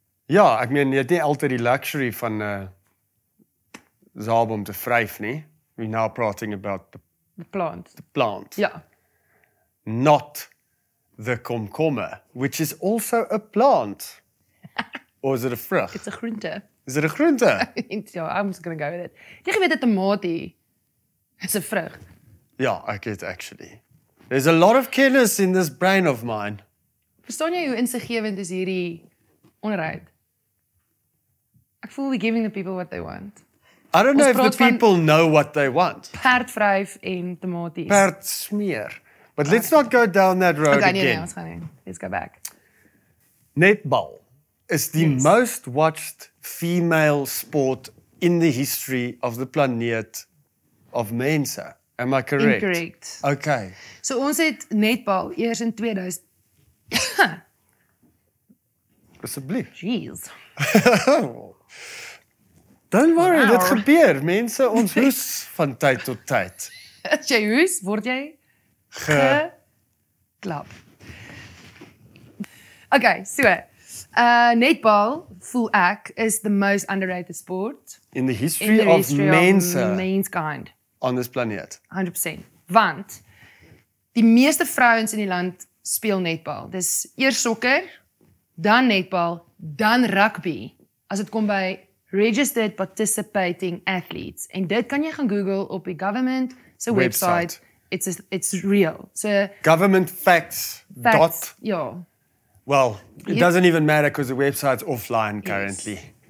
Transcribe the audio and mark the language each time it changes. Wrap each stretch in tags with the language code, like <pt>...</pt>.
<af>Ja, ek meen, jy het nie altyd die luxury van zaap om te vryf nie.</af> <en>We're now praating about the plant. The plant. Ja. Not the komkommer, which is also a plant. Or is it a vrug? It's a groente. Is it a groente? Ja, I'm just going to go with it.</en> <af>Jy geweet dat tomatie is a vrug.</af> <en>Ja, I get actually. There's a lot of kennis in this brain of mine.</en> <af>Verstaan jy hoe insiggewend is hierdie onderhoud? Ek voel</af> <en>we're giving the people what they want. I don't know if the people know what they want.</en> <af>Perd vryf en tomaties. Perd smeer.</af> <en>But let's not go down that road okay, again. Let's go back. Netball is the yes. most watched female sport in the history of the planet of mense. Am I correct? Incorrect. Okay.</en> <af>So ons het netball eers in 2000. Asseblief.</af> <en>Jeez. Don't worry,</en> <af>dit gebeur. Mense, ons hoes van tyd tot tyd. As jy hoes, word jy geklap.</af> <en>Okay, so. Netball,</en> <af>voel ek,</af> <en>is the most underrated sport. In the history of mankind. On this planet.</en> <af>100%. Want, die meeste vrouens in die land speel netball. Dis eers sokker, dan netball, dan rugby. As het kom by registered participating athletes. En dit kan jy gaan Google op die government se website.</af> <en>It's real. So government facts. Facts dot.</en> <af>Ja.</af> <en>Well, it doesn't even matter because the website's offline currently.</en>